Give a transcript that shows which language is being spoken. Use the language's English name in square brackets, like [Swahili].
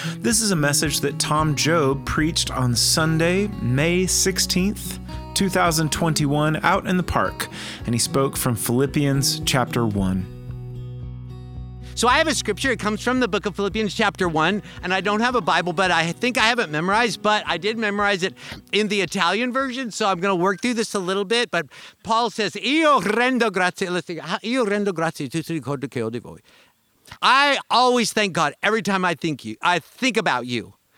[English] This is a message that Tom Job preached on Sunday, May 16th, 2021, out in the park, and he spoke from Philippians chapter 1. So I have a scripture. It comes from the book of Philippians chapter 1, and I don't have a Bible, but I think I have it memorized, but I did memorize it in the Italian version, so I'm going to work through this a little bit. But Paul says, [Italian] Io rendo grazie a tutti ricordi che ho di voi. [English] I always thank God every time I think about you.